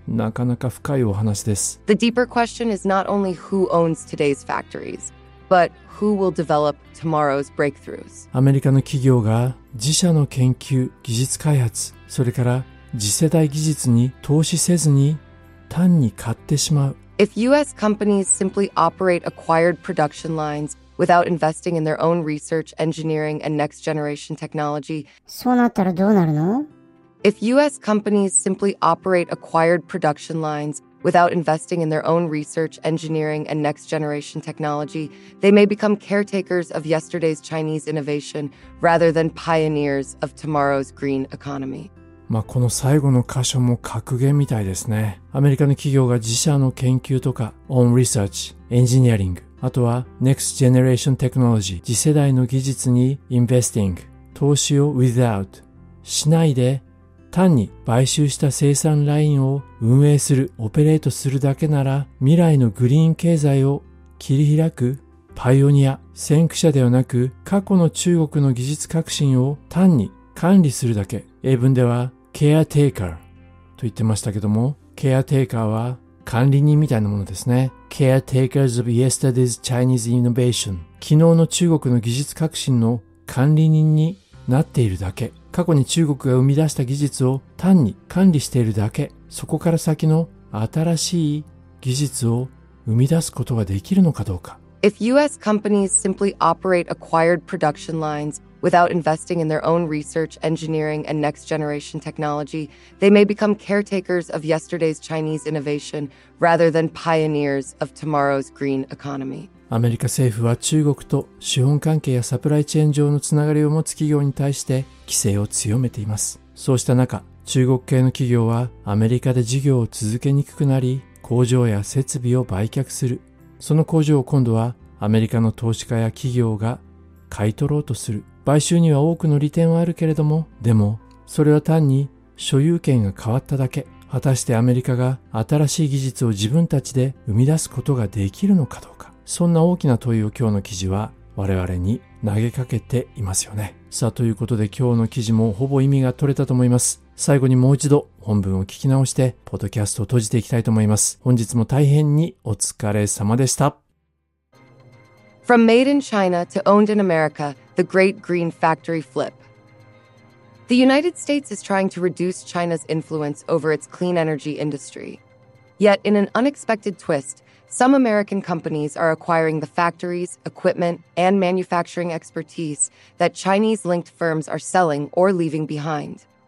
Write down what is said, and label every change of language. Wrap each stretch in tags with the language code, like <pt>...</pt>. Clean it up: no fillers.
<ja>なかなか深いお話です。</ja> <en>The deeper question is not only who owns today's factories, but who will develop tomorrow's breakthroughs.</en> <ja>アメリカの企業が自社の研究、技術開発、それから次世代技術に投資せずに単に買ってしまう。</ja> <en>If U.S. companies simply operate acquired production lines without investing in their own research, engineering, and next-generation technology,</en> <ja>そうなったらどうなるの?</ja> <en>If U.S. companies simply operate acquired production lines without investing in their own research, engineering, and next-generation technology, they may become caretakers of yesterday's Chinese innovation rather than pioneers of tomorrow's green economy.</en> <ja>まあこの最後の箇所も格言みたいですね。アメリカの企業が自社の研究とか、</ja> <en>on research, engineering,</en> <ja>あとは</ja> <en>next generation technology,</en> <ja>次世代の技術に investing, 投資を without, しないで、単に買収した生産ラインを運営する、オペレートするだけなら、未来のグリーン経済を切り開く、パイオニア、先駆者ではなく、過去の中国の技術革新を単に管理するだけ。英文では caretaker と言ってましたけども、caretaker は管理人みたいなものですね。</ja> <en>caretakers of yesterday's Chinese innovation。</en> <ja>昨日の中国の技術革新の管理人になっているだけ。過去に中国が生み出した技術を単に管理しているだけ。そこから先の新しい技術を生み出すことができるのかどうか。</ja> <en>If U.S. companies simply operate acquired production lines,without investing in their own research, engineering, and next-generation technology, they may become caretakers of yesterday's Chinese innovation rather than pioneers of tomorrow's green economy.</en> <ja>アメリカ政府は中国と資本関係やサプライチェーン上のつながりを持つ企業に対して規制を強めています。そうした中、中国系の企業はアメリカで事業を続けにくくなり、工場や設備を売却する。その工場を今度はアメリカの投資家や企業が買い取ろうとする。買収には多くの利点はあるけれども、でもそれは単に所有権が変わっただけ。果たしてアメリカが新しい技術を自分たちで生み出すことができるのかどうか。そんな大きな問いを今日の記事は我々に投げかけていますよね。さあということで今日の記事もほぼ意味が取れたと思います。最後にもう一度本文を聞き直してポッドキャストを閉じていきたいと思います。本日も大変にお疲れ様でした。</ja> <en>From made in China to owned in America, the Great Green Factory Flip. The United States is trying to reduce China's influence over its clean energy industry. Yet in an unexpected twist, some American companies are acquiring the factories, equipment, and manufacturing expertise that Chinese-linked firms are selling or leaving behind.</en>